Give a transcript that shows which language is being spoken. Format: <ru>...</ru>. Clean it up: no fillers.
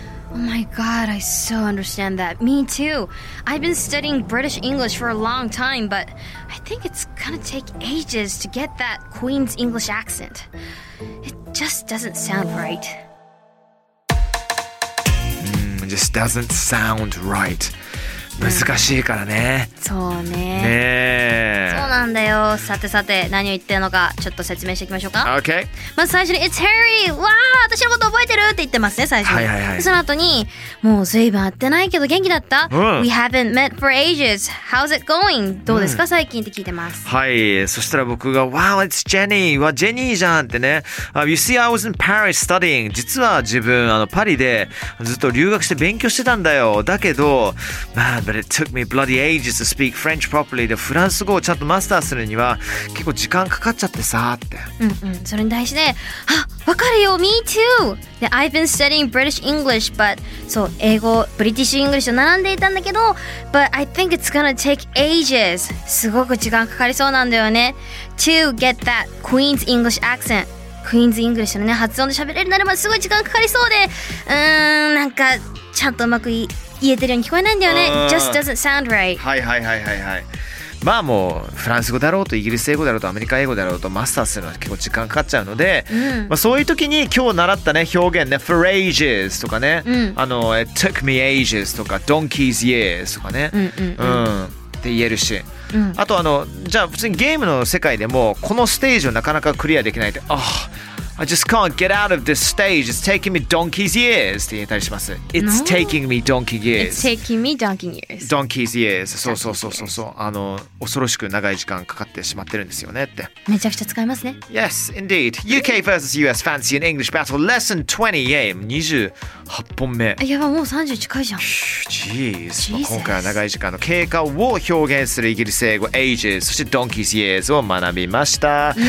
<en>Oh my god, I so understand that. Me too. I've been studying British English for a long time, but I think it's gonna take ages to get that Queen's English accent. It just doesn't sound right. Just doesn't sound right.</en> <ja>難しいからね。そうね。ねえ。そうなんだよ。さてさて、何を言ってるのかちょっと説明していきましょうか。</ja> <en>OK。</en> <ja>まず最初に、</ja> <en>It's Harry!</en> <ja>わー、私のこと覚えてるって言ってますね、最初に。はいはいはい。その後に、もう随分会ってないけど元気だった、うん、</ja> <en>?We haven't met for ages. How's it going?</en> <ja>どうですか、うん、最近って聞いてます。はい。そしたら僕が、</ja> <en>Wow, it's Jenny!</en> <ja>わ、ジェニーじゃんってね。</ja> <en>You see, I was in Paris studying.</en> <ja>実は自分、パリでずっと留学して勉強してたんだよ。だけど、まあ、</ja> <en>But it took me bloody ages to speak French properly.</en> <ja>でフランス語をちゃんとマスターするには結構時間かかっちゃってさって。うんうん、それに対して、あ、わかるよ、</ja> <en>me too! で、I've been studying British English, but,</en> <ja>そう、英語、British English を学んでいたんだけど、</ja> <en>but I think it's gonna take ages.</en> <ja>すごく時間かかりそうなんだよね。</ja> <en>to get that Queen's English accent.</en> <ja>Queen's English のね、発音で喋れるならばすごい時間かかりそうで、なんかちゃんとうまく言えてるように聞こえないんだよね。</ja> <en>Just doesn't sound right.</en> <ja>はいはいはいはいはい。まあもうフランス語だろうとイギリス英語だろうとアメリカ英語だろうとマスターするのは結構時間かかっちゃうので、うん、まあ、そういう時に今日習ったね表現ね、 For ages とかね、うん、</ja> <en>It took me ages とか Donkey's years とかね、</en> <ja>うんうんうんうん、って言えるし、うん、あとじゃあ普通にゲームの世界でもこのステージをなかなかクリアできないと、</ja> <en>oh, I just can't get out of this stage. It's taking me donkey's years</en> <ja>って言えたりします。</ja> <en>It's taking me donkey years. It's taking me donkey years. Donkey's years.</en> <ja>そうそうそうそうそう。恐ろしく長い時間かかってしまってるんですよねって。めちゃくちゃ使いますね。</ja> <en>Yes, indeed. UK versus US Fancy and English Battle Lesson 28本目。</en> <ja>やばもう30近いじゃん。</ja> <en>Jeez.</en> <ja>まあ、今回は長い時間の経過を表現するイギリス英語 ages そして donkey's years を学びました。</ja>